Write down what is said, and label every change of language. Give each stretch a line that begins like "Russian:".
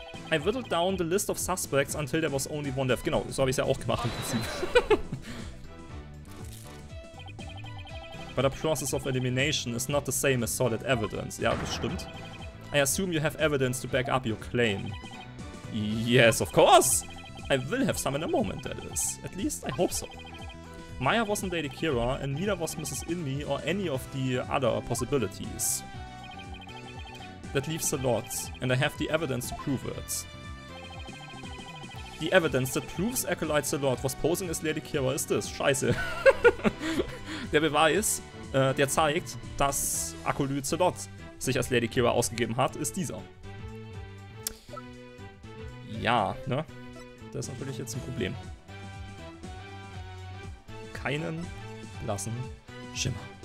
English: I whittled down the list of suspects until there was only one left.
German: Genau, so habe ich es ja auch gemacht im Prinzip.
English: But a process of elimination is not the same as solid evidence.
German: Ja, das stimmt.
English: I assume you have evidence to back up your claim. Yes, of course! I will have some in a moment, that is. At least, I hope so. Maya wasn't Lady Kira, and neither was Mrs. Inmi or any of the other possibilities. That leaves a lot, and I have the evidence to prove it. The evidence that proves Acolyte Azeroth was posing as Lady Kira is this.
German: Scheiße. Der Beweis, der zeigt, dass Acolyte Azeroth sich als Lady Kira ausgegeben hat, ist dieser. Ja, ne? Das ist natürlich jetzt ein Problem. Keinen blassen Schimmer.